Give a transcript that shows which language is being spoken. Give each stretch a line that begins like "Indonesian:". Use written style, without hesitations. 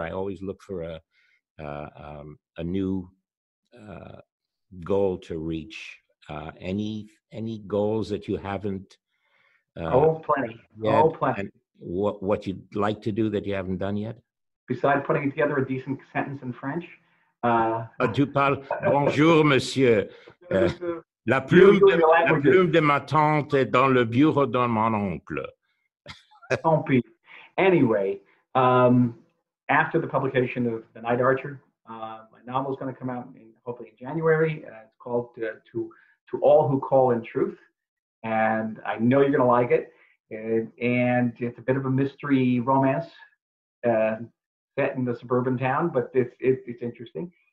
English: I always look for a new goal to reach. Any goals that you haven't? Plenty. And what you'd like to do that you haven't done yet? Besides putting together a decent sentence in French.
French: Tu parles, bonjour, monsieur. La plume de ma tante est dans le bureau de mon oncle. Tant pis.
English: Anyway, after the publication of The Night Archer, my novel is going to come out hopefully in January. It's called To All Who Call in Truth. And I know you're going to like it. And it's a bit of a mystery romance set in the suburban town, but it's interesting.